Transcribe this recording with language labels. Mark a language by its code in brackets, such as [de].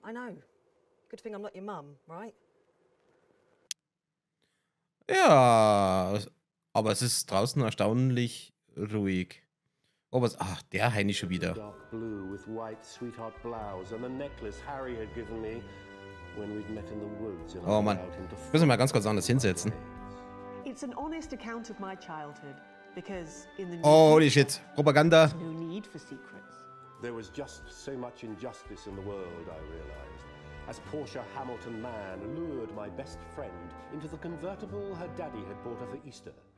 [en] I know. Good thing I'm not your mum, right? [de] Ja, aber es ist draußen erstaunlich ruhig. Oh, was? Ach, der Heini schon wieder. [en] Dark blue with white sweetheart blouse and a necklace Harry had given me when we'd met in the woods. [de] Oh Mann, müssen wir mal ganz kurz anders hinsetzen. [en] It's an honest account of my childhood, because in the holy shit, Propaganda. No need for secrets. There was just so much injustice in the world, I realized, as Portia Hamilton Mann lured my best friend into the convertible her daddy had bought her for Easter.